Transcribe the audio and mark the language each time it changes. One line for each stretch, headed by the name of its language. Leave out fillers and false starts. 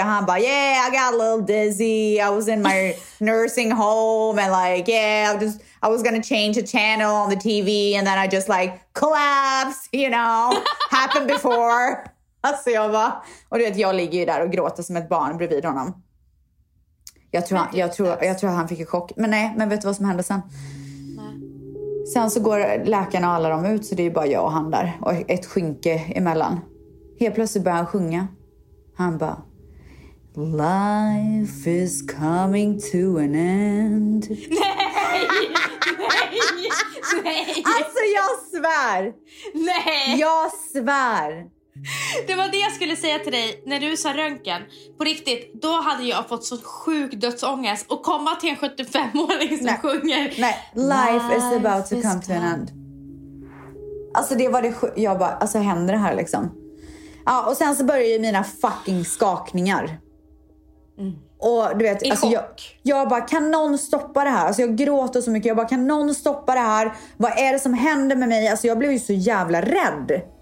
Swedish: Han bara,
English: yeah, I got a little dizzy. I was in my nursing home. And like, yeah, I was gonna change a channel on the TV. And then I just like, collapse, you know. Happened before.
Swedish: Alltså, jag bara... Och du vet, jag ligger ju där och gråter som ett barn bredvid honom. Jag tror att han fick en chock. Men nej, men vet du vad som hände sen? Nej. Sen så går läkarna och alla dem ut, så det är ju bara jag och han där. Och ett skynke emellan. Helt plötsligt börjar han sjunga. Han bara...
English: Life is coming to an end.
Swedish: Nej! Alltså, jag svär! Nej! Jag svär! Det var det jag skulle säga till dig när du sa röntgen. På riktigt, då hade jag fått så sjuk dödsångest. Och komma till en 75-åring som nej, sjunger nej.
English: Life is about to come to an end.
Swedish: Alltså, det var det jag bara, alltså, händer det här liksom? Ja, och sen så börjar ju mina fucking skakningar. Och du vet, alltså, jag bara, kan någon stoppa det här? Alltså, jag gråter så mycket. Jag bara, kan någon stoppa det här? Vad är det som händer med mig? Alltså, jag blev ju så jävla rädd.